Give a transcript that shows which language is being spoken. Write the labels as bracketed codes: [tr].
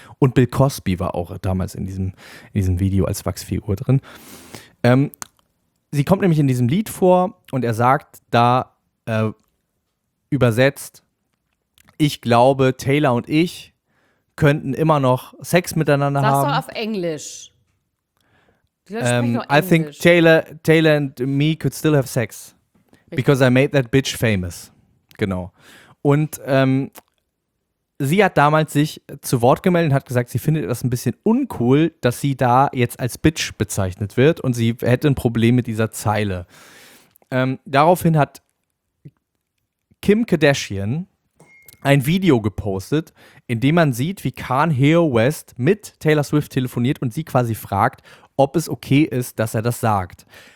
[de] Und Bill Cosby war auch damals in diesem Video als Wachsfigur drin. Sie kommt nämlich in diesem Lied vor und er sagt da übersetzt: Ich glaube, Taylor und ich könnten immer noch Sex miteinander haben. Sag's doch auf Englisch. [en] I think Taylor and me could still have sex. Because I made that bitch famous. [de] Genau. Und sie hat damals sich zu Wort gemeldet und hat gesagt, sie findet das ein bisschen uncool, dass sie da jetzt als Bitch bezeichnet wird, und sie hätte ein Problem mit dieser Zeile. Daraufhin hat Kim Kardashian ein Video gepostet, in dem man sieht, wie Kanye West mit Taylor Swift telefoniert und sie quasi fragt, ob es okay ist, dass er das sagt.